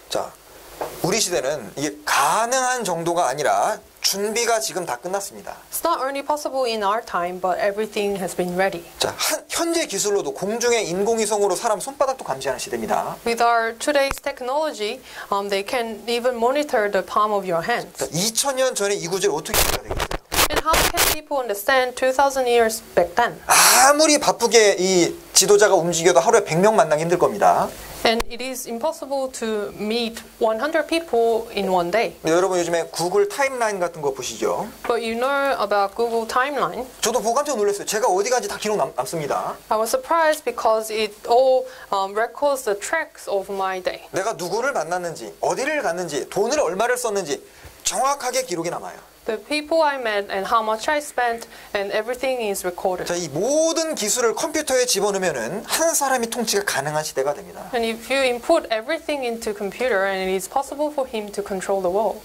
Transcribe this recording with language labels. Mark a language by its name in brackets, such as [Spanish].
[Korean] 자, 우리 시대는 이게 가능한 정도가 아니라 준비가 지금 다 끝났습니다. [English] It's not only possible in our time, but everything has been ready. [Korean] 자, 현재 기술로도 공중에 인공위성으로 사람 손바닥도 감지하는 시대입니다. [English] With our today's technology, they can even monitor the palm of your hands. [Korean] 자, 2000년 전에 이 구절 어떻게 이해가 되겠어요? [English] And how can people understand 2000 years back then? [Korean] 아무리 바쁘게 이 지도자가 움직여도 하루에 100명 만나기 힘들 겁니다. [English] And it is impossible to meet 100 people in one day. [Korean] 여러분 요즘에 구글 타임라인 같은 거 보시죠? [English] But you know about Google timeline? [Korean] 저도 보고 깜짝 놀랐어요. 제가 어디 간지 다 기록 남습니다. [English] I was surprised because it all records the tracks of my day. [Korean] 내가 누구를 만났는지, 어디를 갔는지, 돈을 얼마를 썼는지 정확하게 기록이 남아요. [English] The people I met and how much I spent and everything is recorded. [Korean] 자, 이 모든 기술을 컴퓨터에 집어넣으면은 한 사람이 통치가 가능한 시대가 됩니다. [English] And if you input everything into computer and it is possible for him to control the world.